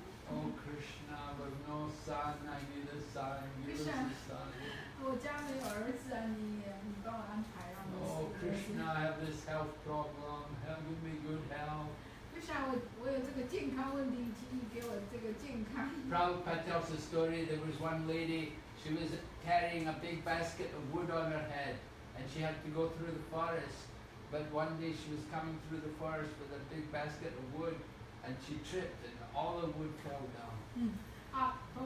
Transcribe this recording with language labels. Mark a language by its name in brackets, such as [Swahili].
[English] Oh, Krishna, but no son, I need a son, you lose a son. [Chinese] 我家没有儿子啊，你帮我安排啊。 [English] Oh, Krishna, I have this health problem, help me good health. [Chinese] 我有这个健康问题，请你给我这个健康。 [English] Prabhupada tells a story, there was one lady, she was carrying a big basket of wood on her head, and she had to go through the forest. But one day she was coming through the forest with a big basket of wood, and she tripped, and all the wood fell down.